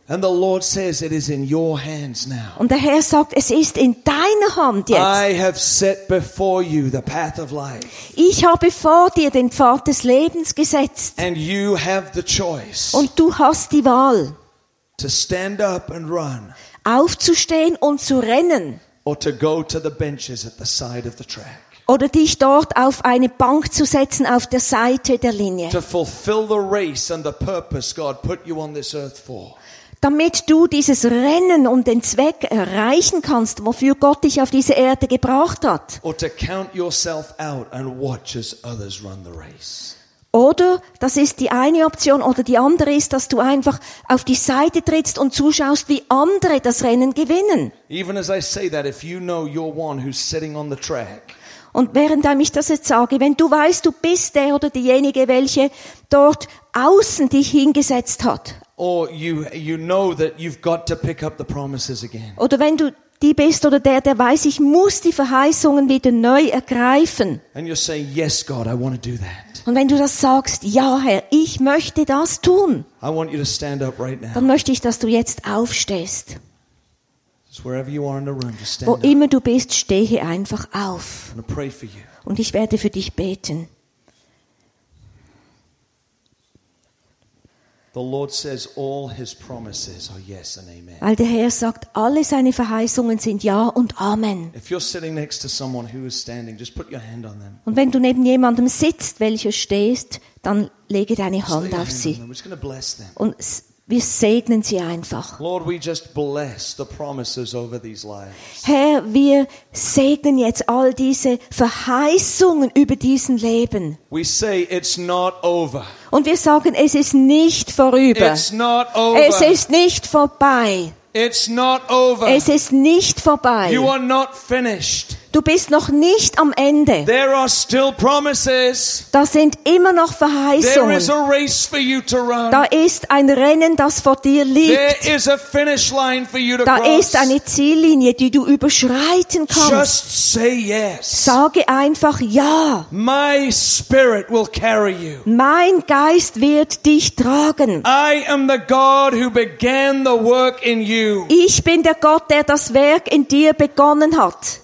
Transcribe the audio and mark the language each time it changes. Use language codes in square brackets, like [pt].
[en] And the Lord says it is in your hands now. [de] Und der Herr sagt, es ist in deiner Hand jetzt. [en] I have set before you the path of life. [de] Ich habe vor dir den Pfad des Lebens gesetzt. [en] And you have the choice. [de] Und du hast die Wahl. [en] To stand up and run. [de] Aufzustehen und zu rennen. [en] Or to go to the benches at the side of the track. [de] Oder dich dort auf eine Bank zu setzen auf der Seite der Linie. [en] To fulfill the race and the purpose God put you on this earth for. [de] Damit du dieses Rennen und den Zweck erreichen kannst, wofür Gott dich auf diese Erde gebracht hat. [en] Or to count yourself out and watch as others run the race. [de] Oder, das ist die eine Option, oder die andere ist, dass du einfach auf die Seite trittst und zuschaust, wie andere das Rennen gewinnen. [en] Even as I say that, if you know you're one who's sitting on the track. [de] Und während ich das jetzt sage, wenn du weißt, du bist der oder diejenige, welche dort außen dich hingesetzt hat. [en] Or you know that you've got to pick up the promises again. [de] Oder wenn du die bist oder der weiß, ich muss die Verheißungen wieder neu ergreifen. [en] And you say, yes, God, I want to do that. [de] Und wenn du das sagst, ja, Herr, ich möchte das tun, [en] I want you to stand up right now. [de] Dann möchte ich, dass du jetzt aufstehst. [en] Just wherever you are in the room, just stand [de] Wo [en] up. [de] Immer du bist, stehe einfach auf. [en] I'm gonna pray for you. [de] Und ich werde für dich beten. [en] The Lord says all his promises are yes and amen. [de] Weil der Herr sagt, alle seine Verheißungen sind ja und amen. [en] If you're sitting next to someone who is standing, just put your hand on them. [de] Und wenn du neben jemandem sitzt, welcher stehst, dann lege deine Hand auf sie. [en] We're just gonna bless them. [de] Und Wir segnen sie einfach. [en] Lord, we just bless the promises over these lives. [de] Herr, wir segnen jetzt all diese Verheißungen über diesen Leben. [en] We say it's not over. [de] Und wir sagen, es ist nicht vorüber. [en] It's not over. [de] Es ist nicht vorbei. [en] It's not over. [de] Es ist nicht vorbei. [en] You are not finished. [de] Du bist noch nicht am Ende. [en] There are still promises. [de] Da sind immer noch Verheißungen. [en] There is a race for you to run. [de] Da ist ein Rennen, das vor dir liegt. [en] There is a finish line for you to [de] da [en] cross. [de] Ist eine Ziellinie, die du überschreiten kannst. [en] Just say yes. [de] Sage einfach ja. [en] My spirit will carry you. [de] Mein Geist wird dich tragen. [en] I am the God who began the work in you. [de] Ich bin der Gott, der das Werk in dir begonnen hat.